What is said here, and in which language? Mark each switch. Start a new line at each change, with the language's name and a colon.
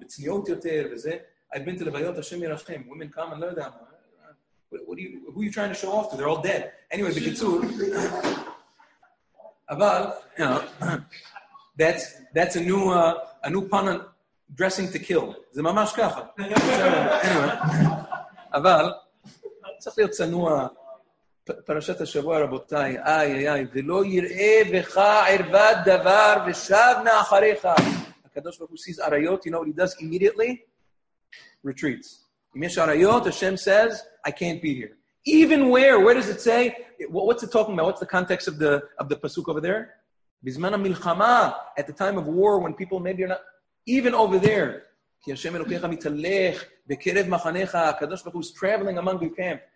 English: It's Niot Yoter. I've been to Levayot, Hashem Yirachem. Women come and learn them. Who are you trying to show off to? They're all dead. Anyway, the Kitzur. Aval, you know, that's a new pun on dressing to kill. It's mamash kacha. Anyway.
Hebrew: Aval, צריך להיות צנוע. פרשת השבוע, רבותיי, איי, ולא יראה בך ערבת דבר ושבנה אחריך.
English: הקדוש ברוך הוא sees עריות, you know what he does immediately? Retreats.
Hebrew: אם יש עריות,
English: Hashem says, I can't be here. Even where does it say? What's it talking about? What's the context of the pasuk over there?
Hebrew: בזמן המלחמה,
English: at the time of war, when people maybe are not, even over there,
Hebrew: כי השם אלוקיך מתהלך בקרב מחניך,
English: הקדוש ברוך הוא is traveling among your camp.